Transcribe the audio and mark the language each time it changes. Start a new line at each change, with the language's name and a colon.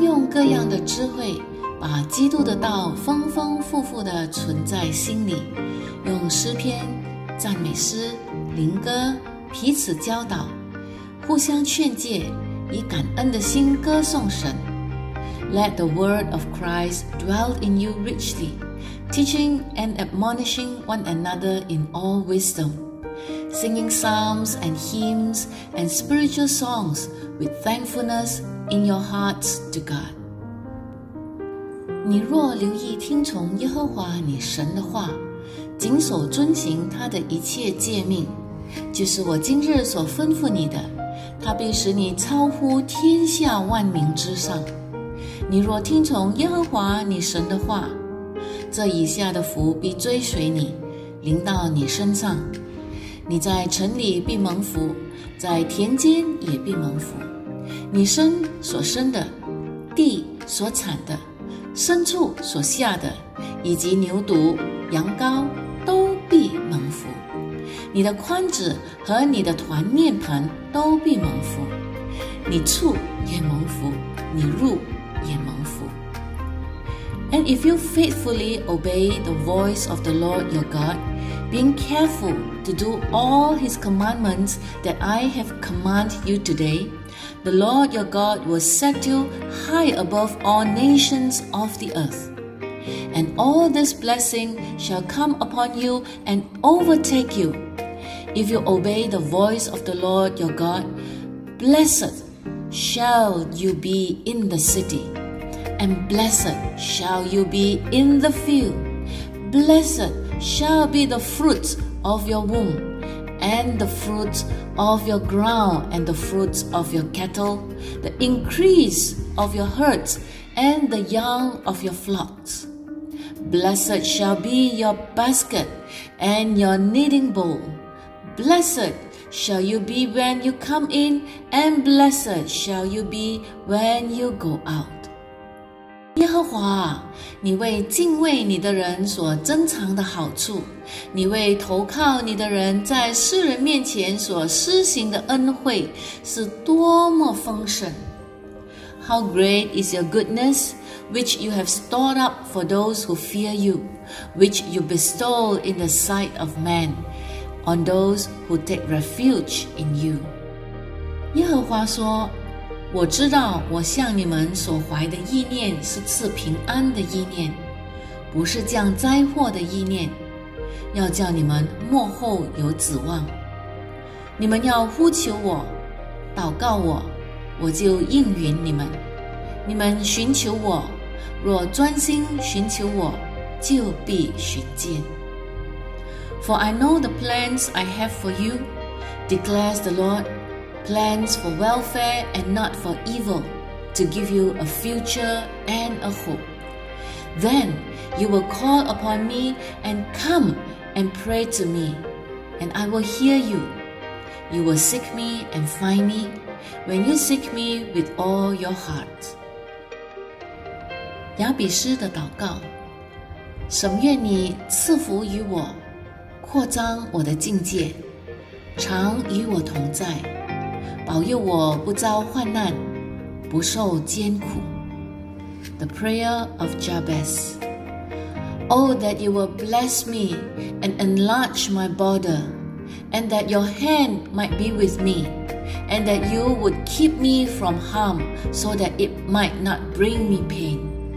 Chinese: 各样的智慧，把基督的道丰丰富富地存在心里，用诗篇、赞美诗、灵歌彼此教导，互相劝诫，以感恩的心歌颂神。
English: Let the word of Christ dwell in you richly, teaching and admonishing one another in all wisdom, singing psalms and hymns and spiritual songs with thankfulness in your hearts to God.
Chinese: 你若留意听从耶和华你神的话，谨守遵行他的一切诫命，就是我今日所吩咐你的，他必使你超乎天下万民之上。你若听从耶和华你神的话，这以下的福必追随你，临到你身上。你在城里必蒙福，在田间也必蒙福。你生所生的，地所产的，牲畜所下的，以及牛犊羊羔都必蒙福。你的筐子和你的团面盆都必蒙福，你畜也蒙福，你入也蒙福。
English: And if you faithfully obey the voice of the Lord your God, being careful to do all his commandments that I have command you today, the Lord your God will set you high above all nations of the earth. And all this blessing shall come upon you and overtake you. If you obey the voice of the Lord your God, blessed shall you be in the city, and blessed shall you be in the field. Blessed shall be the fruits of your womb, and the fruits of your ground, and the fruits of your cattle, the increase of your herds, and the young of your flocks. Blessed shall be your basket and your kneading bowl. Blessed shall you be when you come in, and blessed shall you be when you go out.
Chinese: 耶和华，你为敬畏你的人所珍藏的好处，你为投靠你的人在世人面前所施行的恩惠，是多么丰盛。
English: How great is your goodness? Which you have stored up for those who fear you, which you bestow in the sight of men, on those who take refuge in you.
Chinese: 耶和华说，我知道我向你们所怀的意念是赐平安的意念，不是降灾祸的意念，要叫你们末后有指望。你们要呼求我，祷告我，我就应允你们。你们寻求我，若专心寻求我，就必寻见。
English: For I know the plans I have for you, declares the Lord, plans for welfare and not for evil, to give you a future and a hope. Then you will call upon me and come and pray to me, and I will hear you. You will seek me and find me, when you seek me with all your heart.
Chinese: 雅比诗的祷告，神愿你赐福于我，扩张我的境界，常与我同在，保佑我不遭患难，不受艰苦。
English: The prayer of Jabez. Oh, that you will bless me and enlarge my border, and that your hand might be with me, and that you would keep me from harm so that it might not bring me pain.